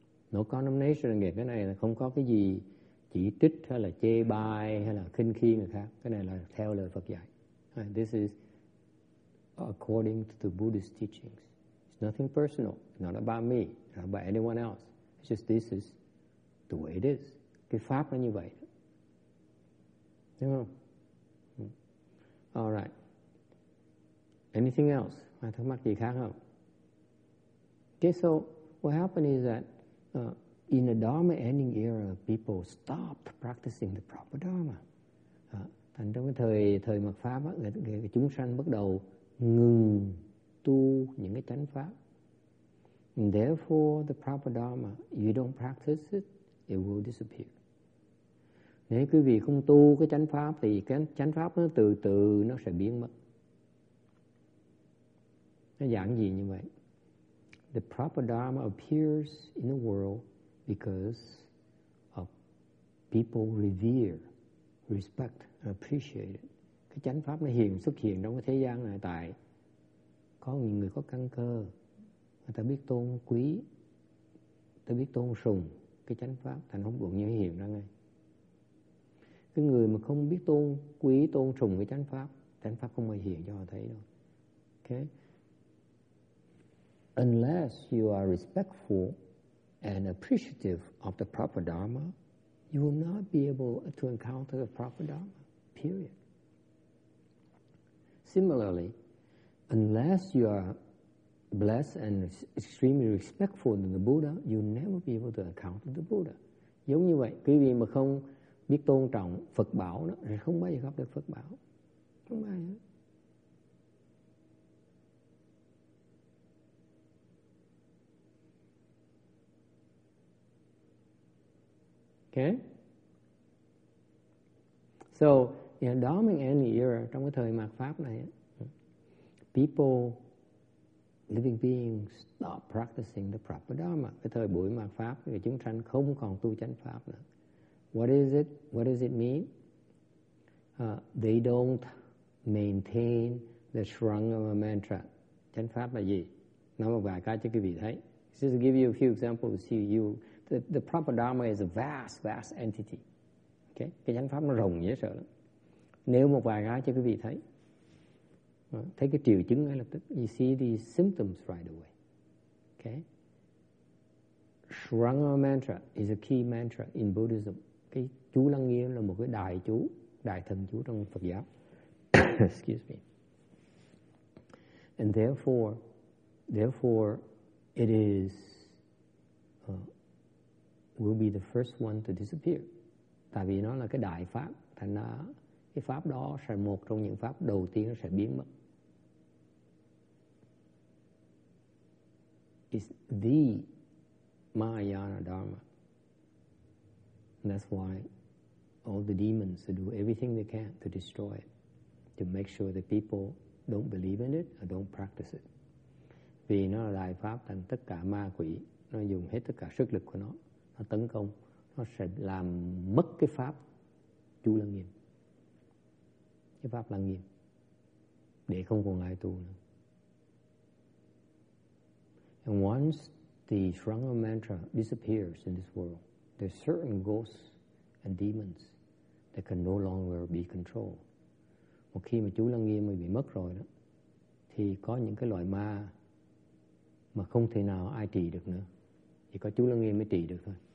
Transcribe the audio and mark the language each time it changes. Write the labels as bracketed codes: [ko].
[en] No condemnation, [vi] nghĩa cái này là không có cái gì chỉ trích hay là chê bai hay là khinh khi người khác, cái này là theo lời Phật dạy. [en] This is according to the Buddhist teachings. It's nothing personal, not about me, not about anyone else. It's just this is the way it is. [vi] Cái pháp nó như vậy. Đúng không? [en] All right. Anything else? [vi] Thắc mắc gì khác không? [en] Okay, so what happened is that in the Dharma ending era, people stopped practicing the proper Dharma. [vi] Thành trong cái thời mật pháp, chúng sanh bắt đầu ngừng tu những cái chánh pháp. [en] And therefore, the proper Dharma, you don't practice it, it will disappear. [vi] Nếu quý vị không tu cái chánh pháp thì cái chánh pháp nó từ từ nó sẽ biến mất. Nó giảng gì như vậy? [en] The proper Dharma appears in the world because of people revere, respect, and appreciate it. [vi] Cái chánh pháp nó xuất hiện trong cái thế gian này tại có những người có căn cơ, người ta biết tôn quý, người ta biết tôn sùng cái chánh pháp, thành không buồn như hiện ra ngay. Cái người mà không biết tôn quý, tôn sùng cái chánh pháp không bao giờ hiện cho họ thấy đâu. [en] Okay. Unless you are respectful and appreciative of the proper Dharma, you will not be able to encounter the proper Dharma, period. Similarly, unless you are blessed and extremely respectful to the Buddha, you will never be able to encounter the Buddha. [vi] Giống như vậy, quý vị mà không biết tôn trọng Phật bảo đó thì không bao giờ gặp được Phật bảo, không bao giờ. [en] Okay. So in the dawning any era, [vi] trong cái thời mạt pháp này, [en] people, living beings, stop practicing the proper Dharma. [vi] Cái thời buổi mạt pháp thì chúng sanh không còn tu chánh pháp nữa. [en] What is it? What does it mean? They don't maintain the Sarangama mantra. [vi] Chánh pháp là gì? Nói một vài cái cho quý vị thấy. [en] Just to give you a few examples, the proper Dharma is a vast, vast entity. Okay? [vi] Cái chánh pháp nó rộng dễ sợ lắm. Nếu một vài cái cho quý vị thấy, thấy cái triệu chứng ngay lập tức. [en] You see the symptoms right away. Okay? Sarangama mantra is a key mantra in Buddhism. [vi] Cái chú Lăng Nghiêm là một cái đại chú, đại thần chú trong Phật giáo. [en] Excuse me. And therefore, it is, will be the first one to disappear. [vi] Tại vì nó là cái đại pháp, thành ra cái pháp đó sẽ một trong những pháp đầu tiên sẽ biến mất. [en] It's the Mahayana Dharma. And that's why all the demons do everything they can to destroy it, to make sure that people don't believe in it or don't practice it. [vi] Vì nó là đại pháp, thành tất cả ma quỷ nó dùng hết tất cả sức lực của nó tấn công, nó sẽ làm mất cái pháp chú Lăng Nghiêm, cái pháp Lăng Nghiêm, để không còn ai tu nữa. [en] And once the Sarangama mantra disappears in this world, there are certain ghosts and demons that can no longer be controlled. [vi] Một khi mà chú Lăng Nghiêm bị mất rồi đó, thì có những cái loại ma mà không thể nào ai trị được nữa. Chỉ có chú Lăng Nghiêm mới trị được thôi.